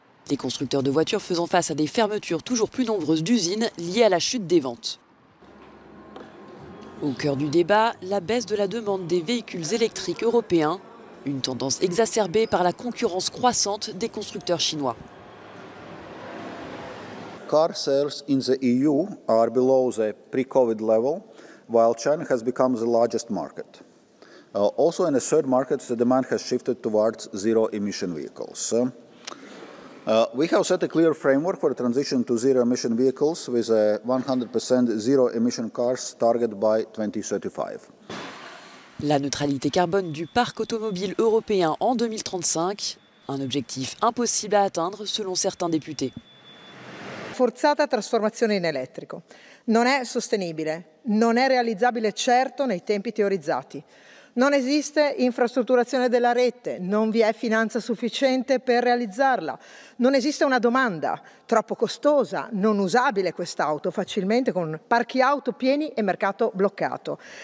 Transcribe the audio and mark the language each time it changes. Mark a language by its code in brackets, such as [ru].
[fr] Les constructeurs de voitures faisant face à des fermetures toujours plus nombreuses d'usines liées à la chute des ventes. Au cœur du débat, la baisse de la demande des véhicules électriques européens, une tendance exacerbée par la concurrence croissante des constructeurs chinois. [en] Car sales in the EU are below the pre-COVID level, while China has become the largest market. Also in the third market, the demand has shifted towards zero emission vehicles. We have set a clear framework for a transition to zero-emission vehicles with a 100% zero-emission cars target by 2035. [fr] La neutralité carbone du parc automobile européen en 2035, un objectif impossible à atteindre selon certains députés. [it] Forzata trasformazione in elettrico. Non è sostenibile, non è realizzabile certo nei tempi teorizzati. Non esiste infrastrutturazione della rete, non vi è finanza sufficiente per realizzarla. Non esiste una domanda, troppo costosa, non usabile quest'auto facilmente con parchi auto pieni e mercato bloccato.